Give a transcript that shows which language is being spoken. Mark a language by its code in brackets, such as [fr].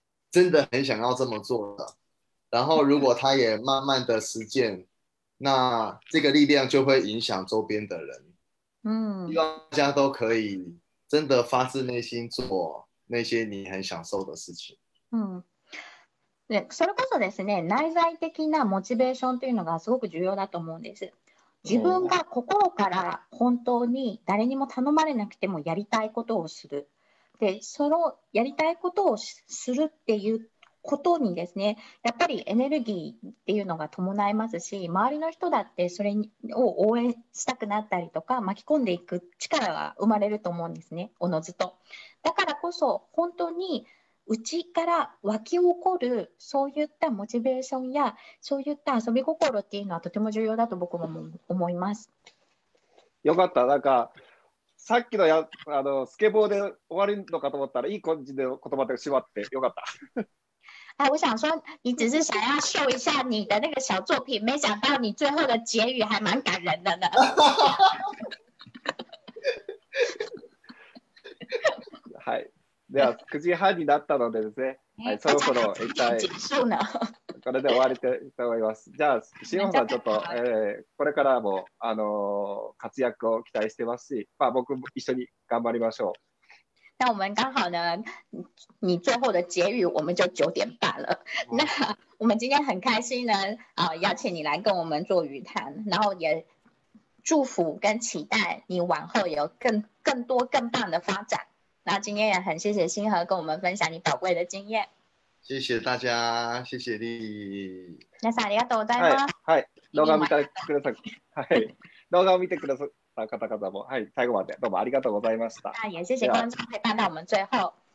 [zh] 真的很想要这么做的，然后如果他也慢慢的实践，那这个力量就会影响周边的人。希望大家都可以真的发自内心做那些你很享受的事情。 [ja] それこそですね、内在的なモチベーションというのがすごく重要だと思うんです。自分が心から本当に誰にも頼まれなくてもやりたいことをする。でそのやりたいことをするっていうことにですね、やっぱりエネルギーっていうのが伴いますし、周りの人だってそれを応援したくなったりとか巻き込んでいく力が生まれると思うんですね、おのずと。だからこそ本当に内から湧き起こるそういったモチベーションやそういった遊び心っていうのはとても重要だと僕も思います。よかった。なんかさっきのスケボーで終わるのかと思ったら、いい感じで言葉でしまってよかった。 [zh] あ、我想说，你只是想要秀一下你的那个小作品，没想到你最后的结语还蛮感人的呢。 [ja] はい、では9時半になったのでですね、はい、そろそろ一体 [zh] 結束呢。 [ja] これで終わりたいと思います。じゃあ、シオンさん、ちょっと、これからも、活躍を期待してますし、僕も一緒に頑張りましょう。 [zh] 那我们刚好呢，你最后的结语我们就九点半了。那我们今天很开心呢，邀请你来跟我们做语谈，然后也祝福跟期待你往后有更多更棒的发展。那今天也很谢谢星河跟我们分享你宝贵的经验。谢谢大家，谢谢你。 [ja] 皆さんありがとうございます。はい、動画を見てくださった、動画を見てくださった方々も、はい、最後までどうもありがとうございました。 [zh] 啊，也谢谢观众陪伴到我们最后。